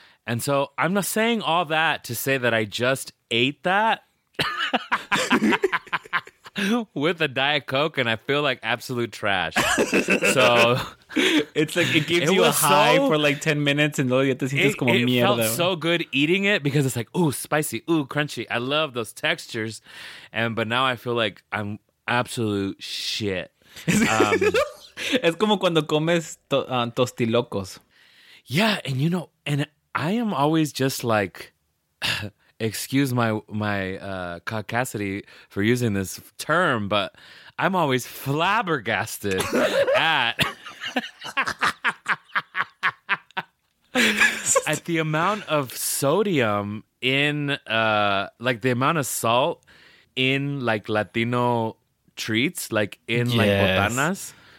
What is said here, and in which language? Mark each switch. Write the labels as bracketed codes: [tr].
[en] And so I'm not saying all that to say that I just ate that with a Diet Coke and I feel like absolute trash. So it's like it gives you a high for like 10 minutes and [es] luego ya te sientes como mierda. [en] It felt so good eating it because it's like, ooh, spicy, ooh, crunchy. I love those textures. But now I feel like I'm absolute shit. [es] Es como cuando comes tostilocos. [en] Yeah, and you know, and I am always just like, excuse my caucasity for using this term, but I'm always flabbergasted at the amount of sodium in like the amount of salt in like Latino treats, like in yes. like botanas.